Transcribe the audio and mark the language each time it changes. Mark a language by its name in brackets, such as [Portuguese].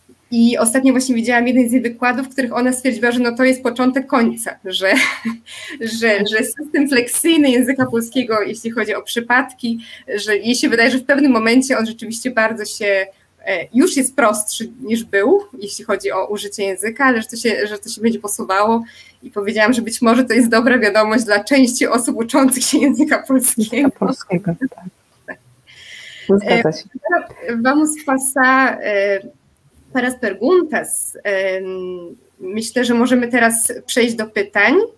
[Polish] I ostatnio właśnie widziałam jeden z jej wykładów, w których ona stwierdziła, że no to jest początek końca, że system fleksyjny języka polskiego, jeśli chodzi o przypadki, że jej się wydaje, że w pewnym momencie on rzeczywiście bardzo się już jest prostszy niż był, jeśli chodzi o użycie języka, ale że to się będzie posuwało. I powiedziałam, że być może to jest dobra wiadomość dla części osób uczących się języka polskiego. Języka polskiego, tak. [Portuguese] Vamos passar para as perguntas. [Polish] Myślę, że możemy teraz przejść do pytań.